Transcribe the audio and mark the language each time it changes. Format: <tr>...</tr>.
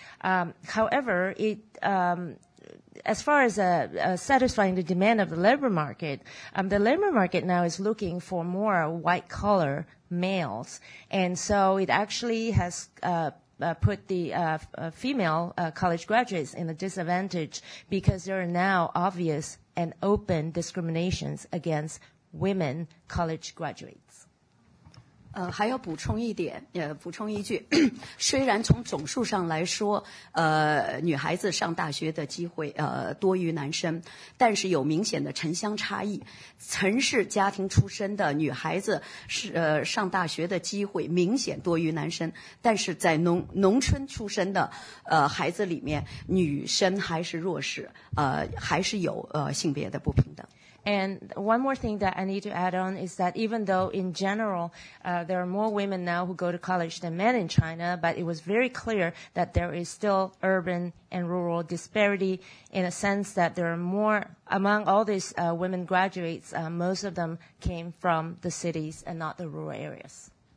<en>However, it, as far as satisfying the demand of the labor market now is looking for more white collar males. And so it actually has, put the female college graduates in a disadvantage because there are now obvious and open discriminations against women college graduates.</en> <zh>还要补充一点，补充一句，虽然从总数上来说，女孩子上大学的机会多于男生，但是有明显的城乡差异。城市家庭出身的女孩子是上大学的机会明显多于男生，但是在农村出身的孩子里面，女生还是弱势，还是有性别的不平等。</zh> <en>And one more thing that I need to add on is that even though in general, there are more women now who go to college than men in China, but it was very clear that there is still urban and rural disparity in a sense that there are more, among all these women graduates, most of them came from the cities and not the rural areas.</en>